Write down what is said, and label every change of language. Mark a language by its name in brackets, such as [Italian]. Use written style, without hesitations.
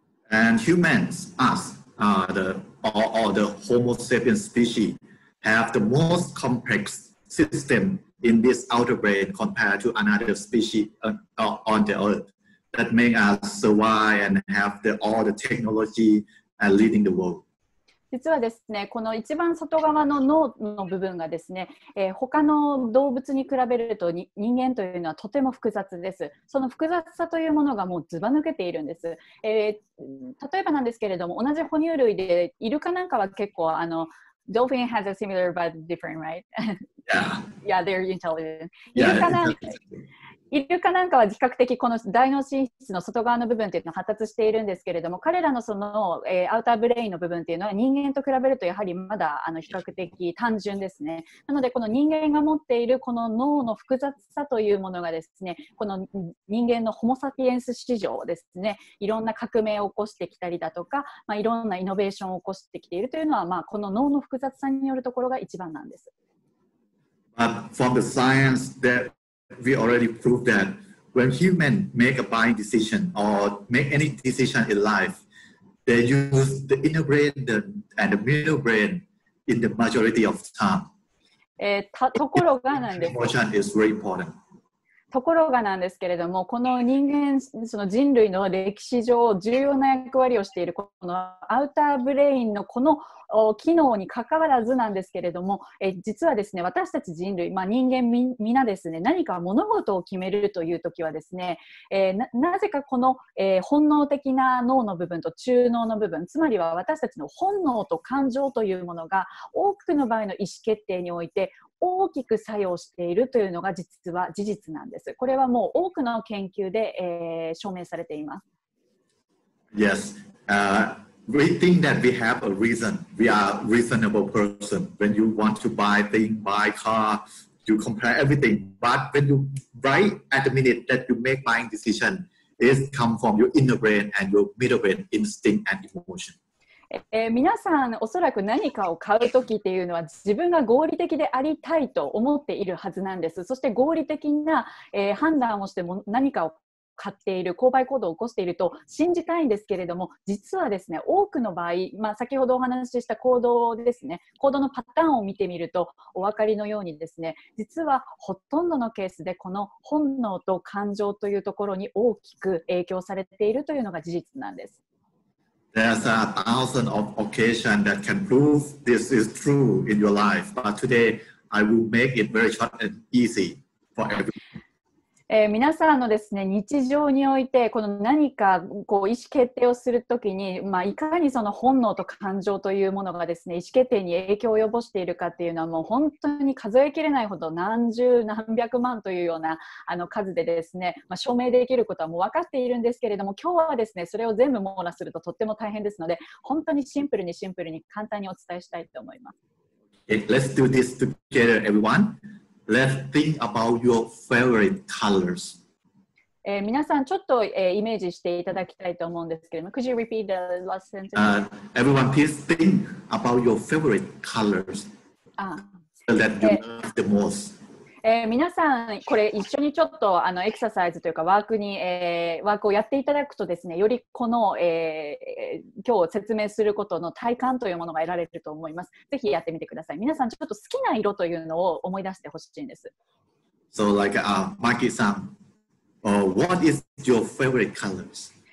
[English] And humans, us, the Homo sapiens species, have the most complex system in this outer brain compared to another species on the earth that make us survive and have all the technology and leading the world. [Japanese] 実はですね、この一番外側の脳の部分がですね、他の動物に比べると人間というのはとても複雑です。その複雑さというものがもうずば抜けているんです。例えばなんですけれども、同じ哺乳類でイルカなんかは結構あのドルフィン [English] has a similar but different, right? Yeah. Yeah, they're intelligent. [Japanese] イルカなんか、イルカなんかは比較的この大脳神経の外側の部分っていうのが発達しているんですけれども、彼らのその、アウターブレインの部分っていうのは人間と比べるとやはりまだあの比較的単純ですね。なのでこの人間が持っているこの脳の複雑さというものがですね、この人間のホモサピエンス史上ですね、いろんな革命を起こしてきたりだとか、まあ、いろんなイノベーションを起こしてきているというのは、まあ、この脳の複雑さによるところが一番なんです。 [English] From the science that we already proved that when humans make a buying decision or make any decision in life, they use the inner brain and the middle brain in the majority of the time. [Japanese] ところがなんです。 [English] Emotion is very important. [Japanese] ところがなんですけれども、この人間、その人類の歴史上重要な役割をしているこのアウターブレインのこの機能に関わらずなんですけれども、実はですね、私たち人類、まあ、人間みんなですね、何か物事を決めるというときはですね、なぜかこの、本能的な脳の部分と中脳の部分、つまりは私たちの本能と感情というものが多くの場合の意思決定において大きく作用しているというのが実は事実なんです。これはもう多くの研究で、証明されています。 [English] Yes. We think that we have a reason. We are reasonable person. When you want to buy thing, buy car, you compare everything. But when you right at the minute that you make buying decision, it comes from your inner brain and your middle brain instinct and emotion. [Japanese] 皆さんおそらく何かを買うときっていうのは自分が合理的でありたいと思っているはずなんです。そして合理的な、判断をしても何かを買っている購買行動を起こしていると信じたいんですけれども、実はですね、多くの場合、まあ、先ほどお話しした行動ですね、行動のパターンを見てみるとお分かりのようにですね、実はほとんどのケースでこの本能と感情というところに大きく影響されているというのが事実なんです。 [English] There's a thousand of occasions that can prove this is true in your life, but today I will make it very short and easy for everyone. [Japanese] 皆さんのですね、日常においてこの何かこう意思決定をするときに、まあ、いかにその本能と感情というものがですね、意思決定に影響を及ぼしているかっていうのはもう本当に数えきれないほど何十何百万というようなあの数でですね、まあ、証明できることはもう分かっているんですけれども、今日はですね、それを全部網羅するととっても大変ですので、本当にシンプルにシンプルに簡単にお伝えしたいと思います。 [English] Let's do this together everyoneLet's think about your favorite colors. [Japanese] 皆さんちょっと、イメージしていただきたいと思うんですけれども、 [English] Could you repeat the last sentence? Everyone, please think about your favorite colors. That you love the most. [Japanese] 皆さんこれ一緒にちょっとあのエクササイズというかワークに、ワークをやっていただくとですね、よりこの、今日説明することの体感というものが得られると思います。ぜひやってみてください。皆さんちょっと好きな色というのを思い出してほしいんです。 [English] So like Maki さん、what is your favorite colors?